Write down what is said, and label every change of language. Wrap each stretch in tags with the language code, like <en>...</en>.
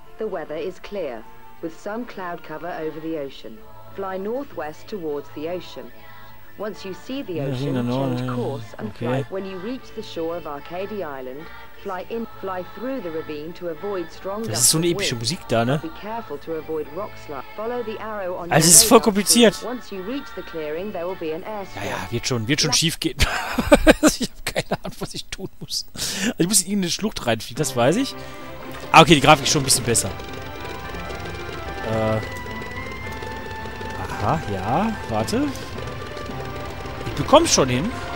<en>The weather is clear, with some cloud cover over the ocean. Fly northwest towards the ocean. Once you see the ocean, change course and okay. Fly. When you reach the shore of Arcadia Island, fly through the ravine to avoid strong gusts.</en> <de>Das ist so eine epische Musik da, ne?</de> <en>Be careful to avoid rock slide. Follow the arrow on your.</en> <de>Also es ist voll kompliziert.</de> <en>Once you reach the clearing, there will be an airstrike.</en> <de>Ja, wird schon schief gehen. Ich habe keine Ahnung, was ich tun muss. Also ich muss in eine Schlucht reinfliegen, das weiß ich. Ah, okay, die Grafik ist schon ein bisschen besser. Aha, ja, warte. Du kommst schon hin.</de>